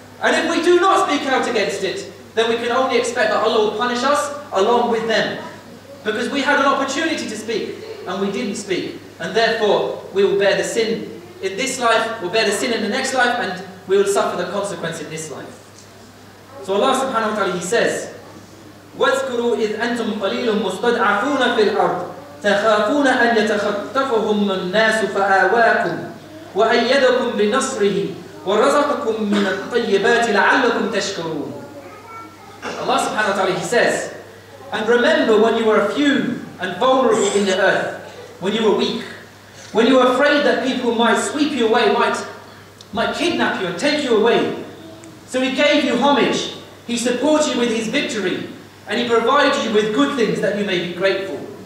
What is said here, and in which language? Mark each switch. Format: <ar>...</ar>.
<en>And if we do not speak out against it, then we can only expect that Allah will punish us along with them. Because we had an opportunity to speak, and we didn't speak. And therefore, we will bear the sin in this life, we'll bear the sin in the next life, and we will suffer the consequence in this life.</en> <ar>So Allah subhanahu wa ta'ala, he says, وَاذْكُرُوا إِذْ أَنْتُمْ قَلِيلٌ مُسْتَدْعَفُونَ فِي الْأَرْضِ تخافون أن يتخطفهم الناس فآواكم وأيدكم بنصره ورزقكم من الطيبات لعلكم تشكرون.</ar> <en>Allah subhanahu wa ta'ala, he says, and remember when you were few and vulnerable in the earth, when you were weak, when you were afraid that people might sweep you away, might kidnap you and take you away. So he gave you homage, he supported you with his victory, and he provided you with good things that you may be grateful.</en>